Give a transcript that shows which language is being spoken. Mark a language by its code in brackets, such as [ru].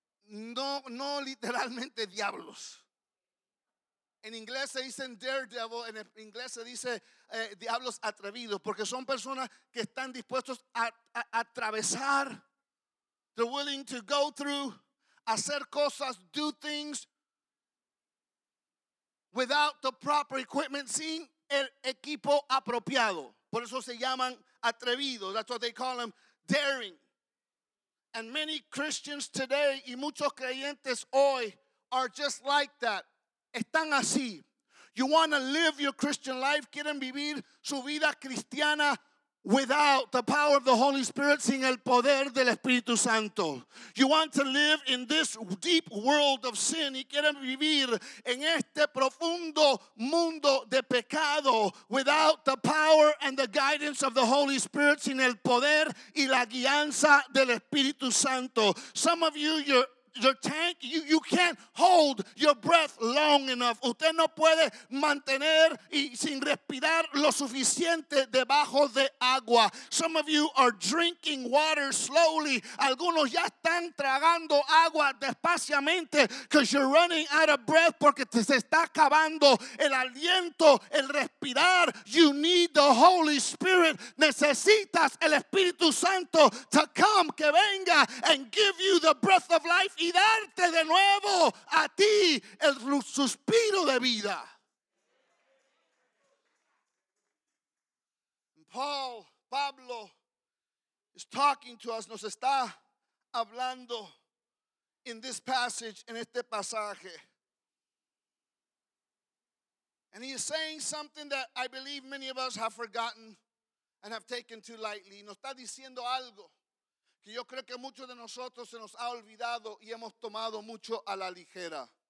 [es] No literalmente diablos. En inglés se dicen daredevil, en inglés se dice diablos atrevidos, porque son personas que están dispuestos a atravesar, [en] they're willing to go through, [es] hacer cosas, [en] do things without the proper equipment, [es] sin el equipo apropiado. Por eso se llaman atrevidos. [en] That's what they call them, daring. And many Christians today, [es] y muchos creyentes hoy, [en] are just like that. [es] Están así. [en] You want to live your Christian life, [es] quieren vivir su vida cristiana [en] without the power of the Holy Spirit, [es] sin el poder del Espíritu Santo. [en] You want to live in this deep world of sin, [es] y quieren vivir en este profundo mundo de pecado, [en] without the power and the guidance of the Holy Spirit, [es] sin el poder y la guianza del Espíritu Santo. [en] Some of you, your tank, you can't hold your breath long enough. [es] Usted no puede mantener y sin respirar lo suficiente debajo de agua. [en] Some of you are drinking water slowly. [es] Algunos ya están tragando agua despaciamente, [en] because you're running out of breath, [es] porque te se está acabando el aliento, el respirar. [en] You need the Holy Spirit. [es] Necesitas el Espíritu Santo [en] to come, [es] que venga, [en] and give you the breath of life, [es] y darte de nuevo a ti el suspiro de vida. [en] Pablo is talking to us, [es] nos está hablando [en] in this passage, [es] en este pasaje. [en] And he is saying something that I believe many of us have forgotten and have taken too lightly. [es] Nos está diciendo algo que yo creo que muchos de nosotros se nos ha olvidado y hemos tomado mucho a la ligera.